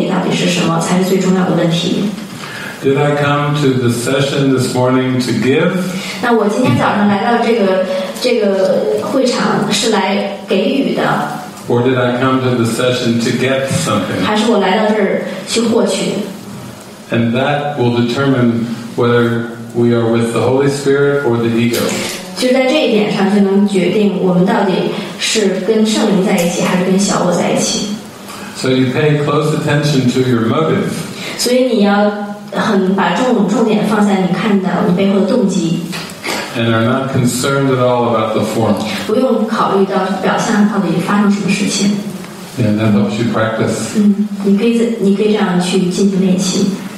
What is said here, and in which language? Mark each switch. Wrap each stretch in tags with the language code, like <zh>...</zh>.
<zh>但是这个剧本就是这个片段的目的，背后的目的到底是什么，才是最重要的问题。</zh> <en>Did I come to the session this morning to give?</en> <zh>那我今天早上来到这个会场是来给予的。</zh> <en>Or did I come to the session to get something?</en> <zh>还是我来到这儿去获取。</zh> <en>And that will determine whether we are with the Holy Spirit or the ego.</en> <zh>就在这一点上就能决定我们到底是跟圣灵在一起还是跟小我在一起。</zh> <en>So you pay close attention to your motive.</en> <zh>所以你要把重点放在你看到你背后的动机。</zh> <en>And are not concerned at all about the form.</en> <zh>不用考虑到表象到底发生什么事情。</zh> <en>And that helps you practice.</en> <zh>你可以这样去进行练习。</zh>